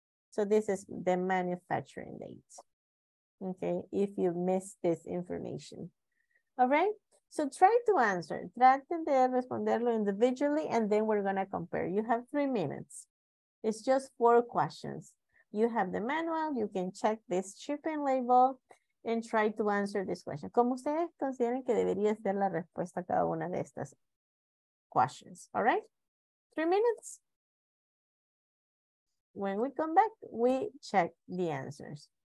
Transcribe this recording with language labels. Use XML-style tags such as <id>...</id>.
<en>So this is the manufacturing date. Okay, if you missed this information. All right, so try to answer.</en> <es>Traten de responderlo</es> <en>individually and then we're gonna compare. You have 3 minutes. It's just 4 questions. You have the manual, you can check this shipping label and try to answer this question.</en> <es>¿Cómo ustedes consideran que debería ser la respuesta a cada una de estas questions?</es> <en>All right? 3 minutes. When we come back, we check the answers.</en>